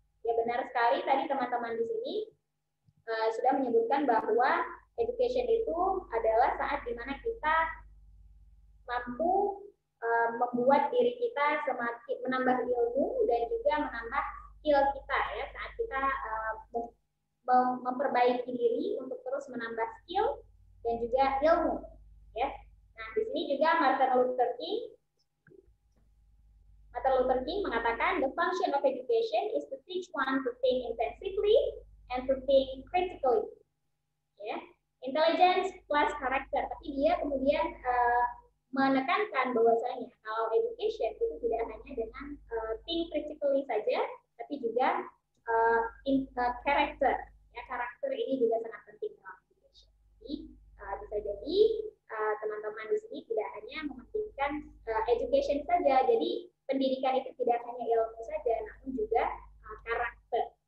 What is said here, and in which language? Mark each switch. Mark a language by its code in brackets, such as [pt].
[id] Ya, benar sekali tadi teman-teman di sini sudah menyebutkan bahwa education itu adalah saat di mana kita mampu membuat diri kita semakin menambah ilmu dan juga menambah skill kita, ya, saat kita memperbaiki diri untuk terus menambah skill dan juga ilmu, ya. Nah, di sini juga Martin Luther King mengatakan [en] the function of education is to teach one to think intensively and to think critically, ya, intelligence plus character. [id] Tapi dia kemudian menekankan bahwasanya kalau education itu tidak hanya dengan [en] think critically [id] saja, tapi juga character. Ya, karakter ini juga sangat penting dalam education. Jadi, bisa jadi teman-teman di sini tidak hanya mementingkan education saja, jadi pendidikan itu tidak hanya ilmu saja, namun juga karakter.